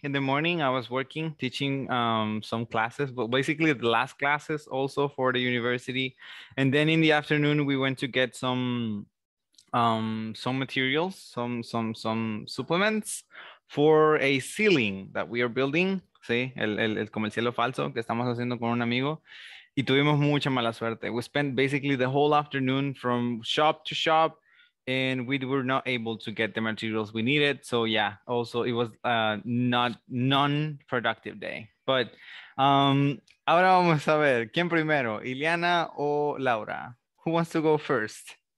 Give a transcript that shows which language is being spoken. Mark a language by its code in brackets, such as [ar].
[en] In the morning, I was working, teaching some classes, but basically the last classes also for the university. And then in the afternoon, we went to get some materials, some supplements for a ceiling that we are building. [es] Sí, el como el cielo falso que estamos haciendo con un amigo. Y tuvimos mucha mala suerte. [en] We spent basically the whole afternoon from shop to shop, and we were not able to get the materials we needed. So yeah, also it was not non-productive day. [es] But ahora vamos a ver, ¿quién primero? [en] ¿Ileana o Laura? Who wants to go first?